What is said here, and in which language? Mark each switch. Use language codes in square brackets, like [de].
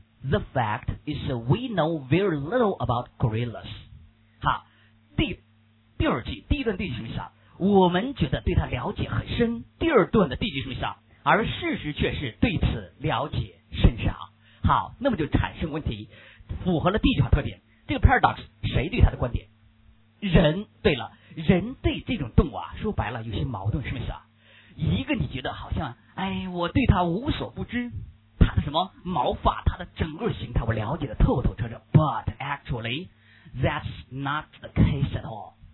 [en] the fact is we know very little about gorillas. [zh] 好，第二句，第一段第一句什么意思啊？我们觉得对它了解很深。第二段的第一句什么意思啊？而事实却是对此了解甚少。好，那么就产生问题，符合了第一句话特点。这个 paradox 谁对它的观点？人。对了，人对这种动物啊，说白了有些矛盾，什么意思啊？一个你觉得好像，哎，我对它无所不知，它的什么毛发，它的整个形态我了解的透透彻彻。 [en] But actually, that's not the case at all.